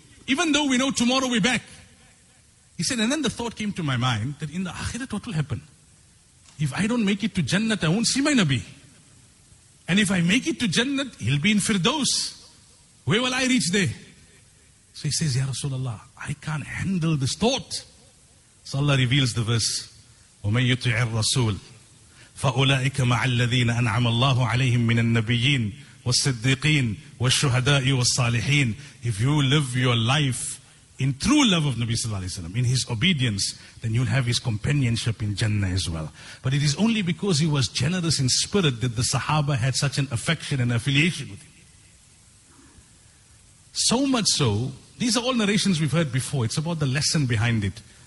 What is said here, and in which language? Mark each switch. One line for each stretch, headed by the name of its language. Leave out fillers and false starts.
English: Even though we know tomorrow we're back." He said, and then the thought came to my mind that in the akhirat, what will happen? If I don't make it to Jannat, I won't see my Nabi. And if I make it to Jannat, he'll be in Firdaus. Where will I reach there? So he says, "Ya Rasulullah, I can't handle this thought." So Allah reveals the verse,
Arabic: وَمَنْ يُطِعِ الرَّسُولِ فَأُولَٰئِكَ مَعَ الَّذِينَ أَنْعَمَ اللَّهُ عَلَيْهِمْ مِنَ النَّبِيِّينَ وَالصِّدِّقِينَ وَالشُّهَدَاءِ وَالصَّالِحِينَ.
English: If you live your life in true love of Nabi Sallallahu Alaihi Wasallam, in his obedience, then you'll have his companionship in Jannah as well. But it is only because he was generous in spirit that the Sahaba had such an affection and affiliation with him. So much so, these are all narrations we've heard before. It's about the lesson behind it.